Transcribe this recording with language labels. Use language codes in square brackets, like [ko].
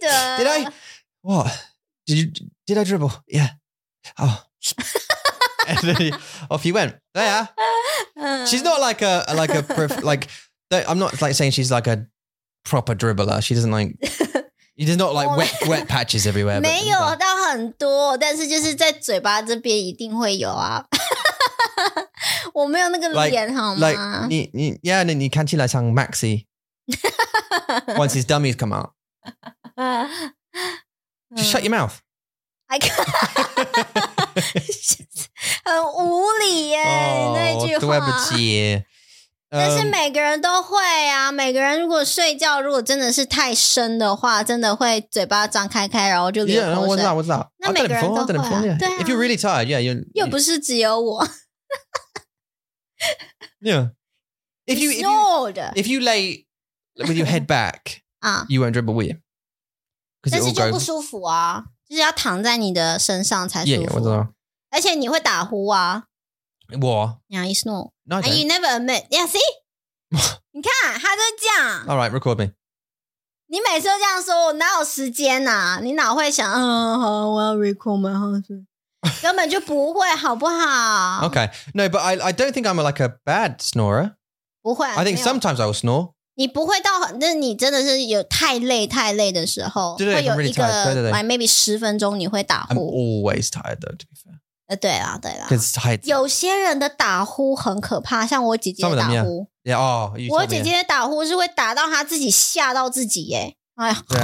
[en] Did I? What? Did I dribble? Yeah. Oh. And then off you went. There. She's not like a like a prof- like I'm not like saying she's like a proper dribbler. She doesn't like, she does not like wet patches everywhere. [zh] 没有到很多，但是就是在嘴巴这边一定会有啊。我没有那个脸好吗？ [en] Yeah, [zh] 你看起来像 [en] Maxi. Once his dummies come out. Just shut your mouth. I can't. [zh] 很无理耶，那句话。对不起。但是每个人都会啊，每个人如果睡觉如果真的是太深的话，真的会嘴巴张开开，然后就流口水。 [en] Yeah, what's that? [zh] 那每个人都会啊。 [en] I've done it before, yeah. If you're really tired, yeah. [zh] You 不是只有我。 [en] Yeah. If you, if you lay with your head back, you won't dribble, will you? [zh] 但是就不舒服啊，就是要躺在你的身上才舒服。 Yeah, 我知道。而且你会打呼啊。我 [en] Yeah, you snore. No, I don't. And you never admit. Yeah, see? [zh] 你看他就这样。 [en] All right, record me. [zh] 你每次都这样说，我哪有时间啊？你哪会想，好，我要 [en] record my house. [zh] 根本就不会，好不好？ [en] Okay. No, but I don't think I'm like a bad snorer. [zh] 不会。 [en] I think sometimes I will snore. [zh] 你不会到，那你真的是有太累的时候，对对，会有一个 [en] really like maybe [zh] 十分钟你会打呼。 [en] I'm always tired though, to be fair. [zh] 对啦对啦 Cause [en] it's [zh] 有些人的打呼很可怕像我姐姐的打呼 [en] them, yeah. Yeah,、oh, [zh] 我姐姐的打呼是会打到她自己吓到自己耶、哎